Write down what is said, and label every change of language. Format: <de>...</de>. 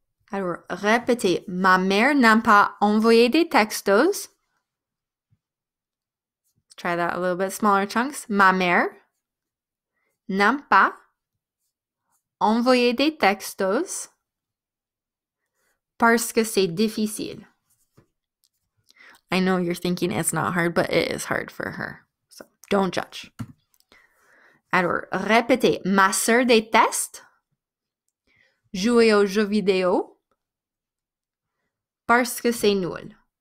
<fr>Alors, répétez, ma mère n'aime pas envoyer des textos.</fr> <en>Try that a little bit smaller chunks.</en> <fr>Ma mère n'aime pas envoyer des textos parce que c'est difficile.</fr> <en>I know you're thinking it's not hard, but it is hard for her. So, don't judge.</en> <fr>Alors, répétez. Ma sœur déteste jouer aux jeux vidéo parce que c'est nul.</fr>